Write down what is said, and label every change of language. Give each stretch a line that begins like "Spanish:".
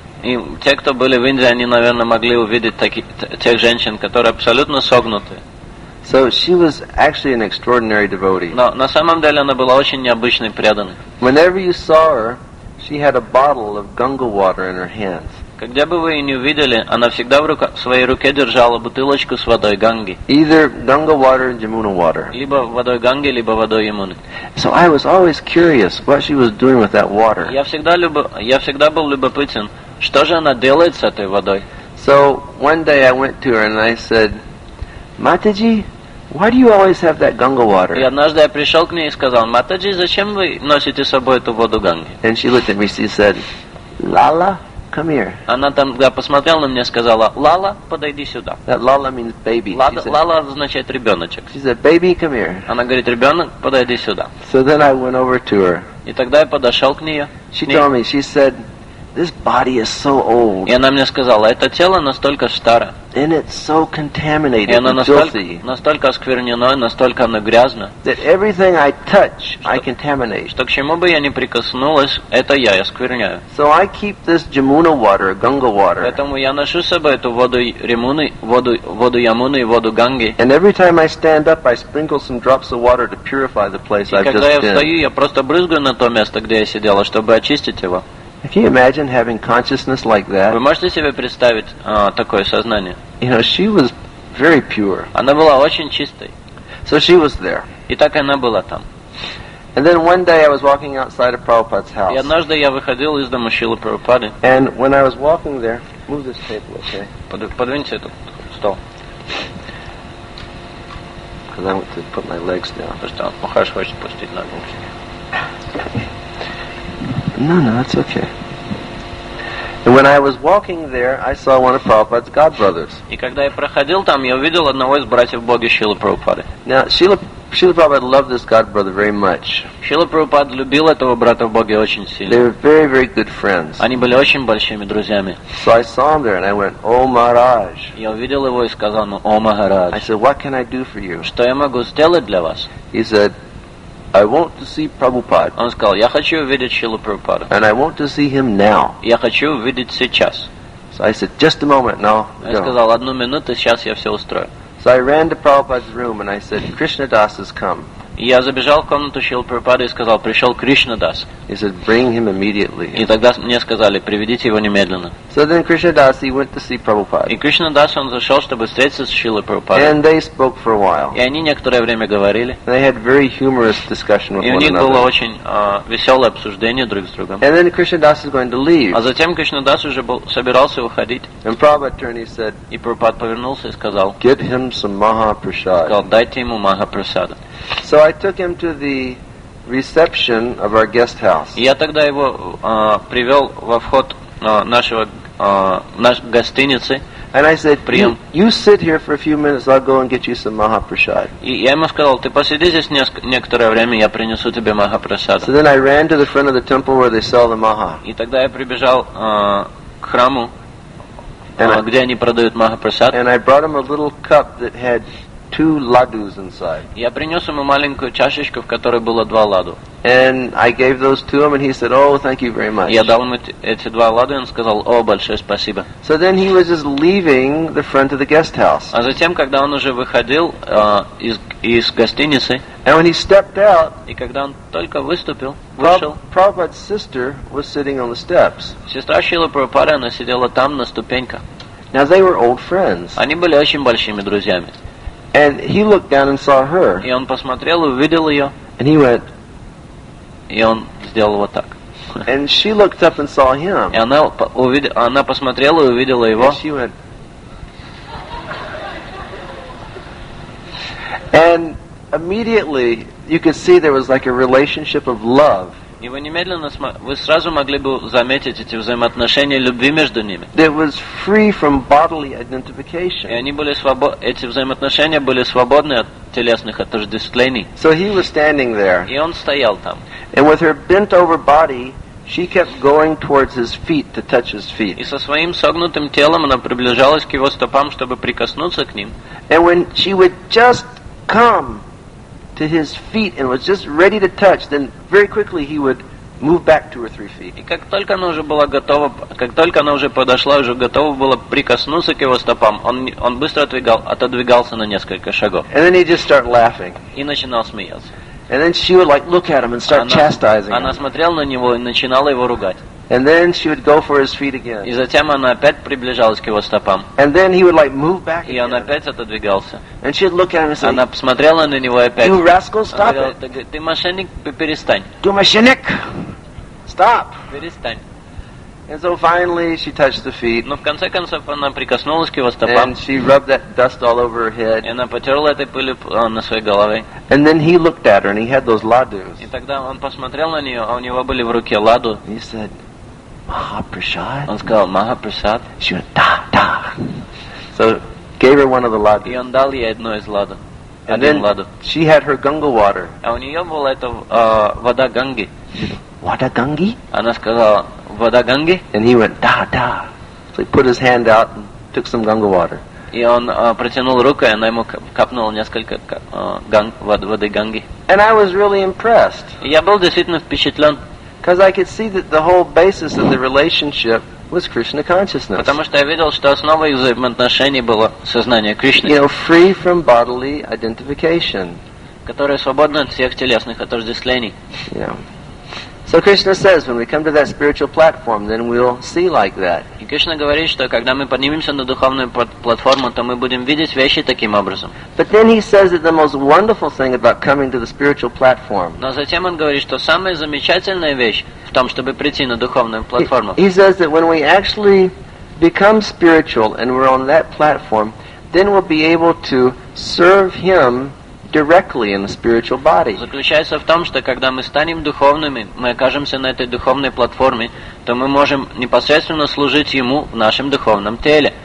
Russian: И те, кто были в Индии, они, наверное, могли увидеть тех женщин, которые абсолютно согнуты.
English: So she was actually an extraordinary devotee.
Russian: Но на самом деле она была очень необычной преданной.
English: Whenever you saw her, she had a bottle of Ganga water in her hands.
Russian: Когда бы вы ее не увидели, она всегда в своей руке держала бутылочку с водой Ганги.
English: Either Ganga water or Yamuna water.
Russian: Либо водой Ганги, либо водой Ямуны.
English: So I was always curious what she was doing with that water.
Russian: Я всегда был любопытен, что же она делает с этой водой.
English: So one day I went to her and I said, Mataji, why do you always have that Ganga water?
Russian: И однажды я пришел к ней и сказал, Mataji, зачем вы носите с собой эту воду Ганги?
English: And she looked at me, she said, Lala, come here.
Russian: Она там, когда посмотрела на меня, сказала, Lala, подойди сюда.
English: That Lala means baby.
Russian: Lala означает ребеночек.
English: She said, baby, come here.
Russian: Она говорит, ребенок, подойди сюда.
English: So then I went over to her.
Russian: И тогда я подошел к ней.
English: She told me, she said, this body is so old. И она мне сказала, это тело настолько старо. And it's so contaminated and filthy.
Russian: Настолько осквернено, настолько оно грязно.
English: That everything I touch, I contaminate.
Russian: Что к чему бы я ни прикоснулась, это я оскверняю.
English: So I keep this Jamuna water, Ganga water.
Russian: Поэтому я ношу с собой эту воду Ямуны, воду Ямуны и воду Ганги.
English: And every time I stand up, I sprinkle some drops of water to purify the place I've just been.
Russian: И когда я встаю, я просто брызгаю на то место, где я сидела, чтобы очистить его.
English: Can you imagine having consciousness like that?
Russian: Вы можете себе представить такое сознание?
English: You know, she was very pure.
Russian: Она была очень чистой.
English: So she was there.
Russian: И так она была там.
English: And then one day I was walking outside of Prabhupada's house.
Russian: И однажды я выходил из дома Шрилы Прабхупады.
English: And when I was walking there, move this table, okay?
Russian: Подвиньте этот стол.
English: Because I want to put my legs down.
Russian: Потому что Махарадж хочет пустить ноги.
English: No, no, it's okay. And when I was walking there, I saw one of Prabhupada's godbrothers.
Russian: И когда я проходил там, я увидел одного из братьев Бога Шрилы Прабхупады.
English: Now, Srila Prabhupada loved this godbrother very much.
Russian: Шрила Прабхупада любил этого брата в Боге очень сильно.
English: They were very, very good friends.
Russian: Они были очень большими друзьями.
English: So I saw him there and I went,
Russian: "О, Махарадж." Я увидел его и сказал ему, "О, Махарадж."
English: I said, "What can I do for you?"
Russian: Что я могу сделать для вас?
English: He said, I want to see Prabhupada.
Russian: Он сказал, я хочу увидеть Шрилу Прабхупаду.
English: And I want to see him now.
Russian: Я хочу увидеть сейчас.
English: So I said, just a moment, now.
Russian: Я сказал, одну минуту, сейчас я все устрою.
English: So I ran to Prabhupada's room and I said, Krishnadas has come.
Russian: Я забежал в комнату Шрилы Прабхупады и сказал, пришел Кришнадас.
English: He said, bring him immediately.
Russian: И тогда мне сказали, приведите его немедленно.
English: So then Krishnadas, he went to see Prabhupada.
Russian: И Кришнадас, он зашел, чтобы встретиться с Шрилой Прабхупадой.
English: And they spoke for a while.
Russian: И они некоторое время говорили.
English: They had very humorous discussion with
Russian: и у них
English: one
Russian: было
English: another.
Russian: Очень веселое обсуждение друг с другом.
English: And then Krishnadas is going to leave.
Russian: А затем Кришнадас уже был, собирался уходить.
English: And Prabhupada turned, he said,
Russian: и Прабхупад повернулся и сказал,
English: get him some Mahaprasad.
Russian: Сказал, дайте ему Махапрасада.
English: So I took him to the reception of our guest house.
Russian: Я тогда его привел во вход нашего нашей гостиницы.
English: And I said, you sit here for a few minutes, I'll go and get you some Mahaprasad.
Russian: И я ему сказал, ты посиди здесь некоторое время, я принесу тебе Махапрасада.
English: So then I ran to the front of the temple where they sell the Maha.
Russian: И тогда я прибежал к храму, где они продают Махапрасад.
English: And I brought him a little cup that had two ladus inside.
Russian: Я принёс ему маленькую чашечку, в которой было два ладу.
English: And I gave those to him, and he said, "Oh, thank you very much."
Russian: Я дал ему эти два лады, он сказал, "О, большое спасибо."
English: So then he was just leaving the front of the guest house.
Russian: А затем, когда он уже выходил из гостиницы,
English: and when he stepped out,
Russian: и когда он только выступил,
English: Prabhupada's sister was sitting on the steps.
Russian: Сестра Шрилы Прабхупады, она сидела там на ступеньках.
English: Now they were old friends.
Russian: Они были очень большими друзьями.
English: And he looked down and saw her.
Russian: И он посмотрел и увидел ее.
English: And he went.
Russian: И он сделал вот так.
English: And she looked up and saw him.
Russian: И она посмотрела и увидела его.
English: And she went. And immediately you could see there was like a relationship of love.
Russian: И вы сразу могли бы заметить эти взаимоотношения любви между ними.
English: There was free from bodily identification.
Russian: И они были эти взаимоотношения были свободны от телесных отождествлений.
English: So he was standing there.
Russian: И он стоял там.
English: And with her bent over body, she kept going towards his feet to touch his feet.
Russian: И со своим согнутым телом она приближалась к его стопам, чтобы прикоснуться к ним.
English: And when she would just come to his feet and was just ready to touch, then very quickly he would move back two or three feet.
Russian: И как только она уже была готова, как только она уже подошла, уже готова была прикоснуться к его стопам, он быстро отодвигался на несколько шагов.
English: And then he'd just start laughing.
Russian: И начинал смеяться.
English: And then she would like look at him and start chastising.
Russian: Она смотрела на него и начинала его ругать.
English: And then she would go for his feet again.
Russian: И затем она опять приближалась к его стопам.
English: And then he would like move back.
Russian: И он опять отодвигался.
English: And she'd look at him and say,
Russian: она посмотрела на него опять.
English: You rascal, stop it.
Russian: Ты мошенник, перестань. Ты мошенник,
English: stop.
Russian: Перестань.
English: And so finally she touched the feet.
Russian: Но в конце концов она прикоснулась к его стопам.
English: And she rubbed that dust all over her head.
Russian: И она потерла этой пыль на своей голове.
English: And then he looked at her and he had those ladus.
Russian: И тогда он посмотрел на нее, а у него были в руке ладу.
English: He said, Mahaprasad.
Russian: Он сказал, Mahaprasad.
English: She went, da, da. So gave her one of the ladu.
Russian: И он дал ей одну из ладу.
English: And then
Russian: ладу.
English: She had her Ganga water.
Russian: А у нее была эта вода Ганги. Вода Ганги? Она сказала, вода Ганги?
English: And he went, da, da. So he put his hand out and took some Ganga water.
Russian: И он протянул руку, и она ему капнула несколько воды Ганги.
English: And I was really impressed.
Russian: И я был действительно впечатлен.
English: Because I could see that the whole basis of the relationship was Krishna consciousness.
Russian: Потому что я видел, что основа их взаимоотношений было сознание Кришны.
English: You know, free from bodily identification.
Russian: Которое свободно от всех телесных отождествлений.
English: Yeah. So Krishna says, when we come to that spiritual platform, then we'll see like that.
Russian: И Кришна говорит, что когда мы поднимемся на духовную платформу, то мы будем видеть вещи таким образом.
English: But then he says that the most wonderful thing about coming to the spiritual platform.
Russian: Но затем он говорит, что самая замечательная вещь в том, чтобы прийти на духовную платформу.
English: He says that when we actually become spiritual and we're on that platform, then we'll be able to serve him directly in the spiritual body.
Russian: Заключается в том, что когда мы станем духовными, мы окажемся на этой духовной платформе, то мы можем непосредственно служить ему в нашем духовном теле.